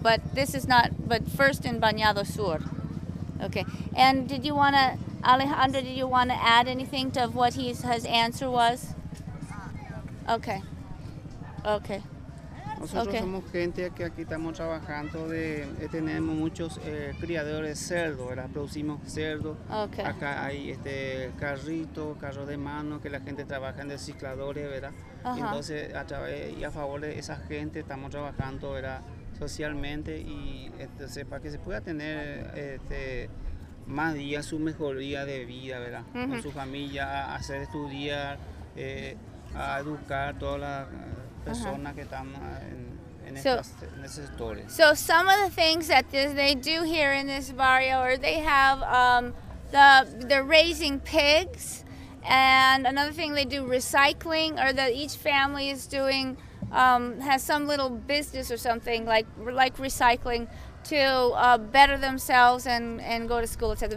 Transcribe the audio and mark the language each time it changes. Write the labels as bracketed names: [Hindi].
[English] But this is not, but first in Bañado Sur. Okay. And did you want to, Alejandro, did you want to add anything to what his answer was? Okay. Okay. [Spanish] Nosotros somos gente que aquí estamos trabajando, tenemos muchos criadores de cerdo, ¿verdad? Producimos cerdo. [English] Okay. [Spanish] Acá hay carros de mano que la gente trabaja en recicladores, ¿verdad? Uh-huh. Entonces, a través y a favor de esa gente estamos trabajando, ¿verdad? Socialmente, y para que se pueda tener más días, su mejoría de vida, ¿verdad? Uh-huh. Con su familia, a hacer estudiar, a educar todas las personas que están en ese sector. [English] So some of the things that they do here in this barrio, or they have they're raising pigs, and another thing they do recycling, or that each family is doing has some little business or something like recycling to better themselves and go to school, etc.